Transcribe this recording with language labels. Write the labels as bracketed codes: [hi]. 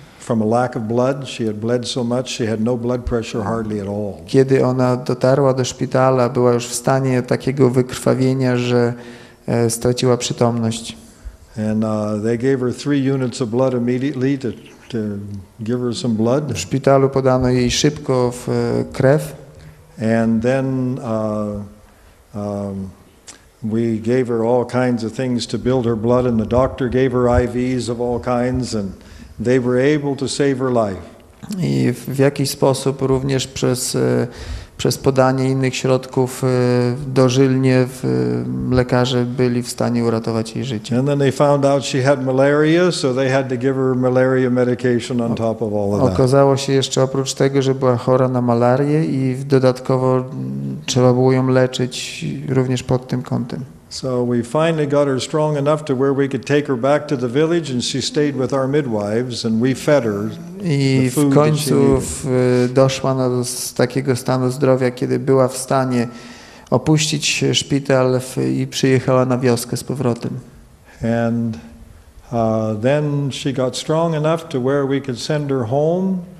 [en] From a lack of blood, she had bled so much, she had no blood pressure hardly at all. [pl] Kiedy ona dotarła do szpitala, była już w stanie takiego wykrwawienia, że straciła przytomność. [en] And they gave her 3 units of blood immediately to give her some blood. [pl] W szpitalu podano jej szybko krew. [en] And then we gave her all kinds of things to build her blood, and the doctor gave her IVs of all kinds, and they were able to save her life. [pl] I w jakiś sposób również przez podanie innych środków dożylnie lekarze byli w stanie uratować jej życie. [en] And then they found out she had malaria, so they had to give her malaria medication on top of all of that. [pl] Okazało się jeszcze oprócz tego, że była chora na malarię i dodatkowo trzeba było ją leczyć również pod tym kątem. [en] So we finally got her strong enough to where we could take her back to the village, and she stayed with our midwives, and we fed her. [pl] I [en] the food [pl] w końcu [en] that she [pl] doszła do takiego stanu zdrowia, kiedy była w stanie opuścić szpital i przyjechała na wioskę z powrotem. [en] And then she got strong enough to where we could send her home.